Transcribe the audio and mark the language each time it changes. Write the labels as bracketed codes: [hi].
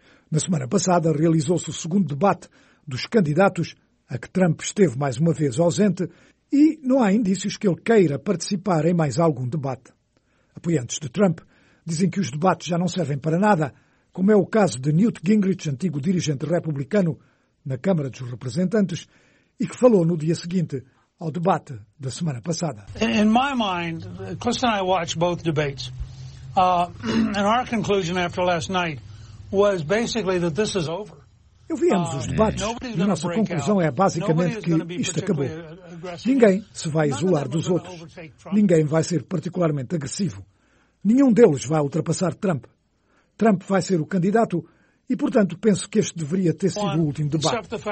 [pt] Na semana passada, realizou-se o segundo debate dos candidatos, a que Trump esteve mais uma vez ausente, e não há indícios que ele queira participar em mais algum debate. Apoiantes de Trump dizem que os debates já não servem para nada, como é o caso de Newt Gingrich, antigo dirigente republicano na Câmara dos Representantes, e que falou no dia seguinte ao debate da semana passada. [en] In my mind, Cliff and I watched both debates. And our conclusion after last night was basically that this is over. [pt] Ouvimos os debates e a nossa conclusão é basicamente que isto acabou. Ninguém se vai isolar dos outros. Ninguém vai ser particularmente agressivo. Nenhum deles vai ultrapassar Trump. Trump vai ser o candidato e, portanto, penso que este deveria ter sido o último debate.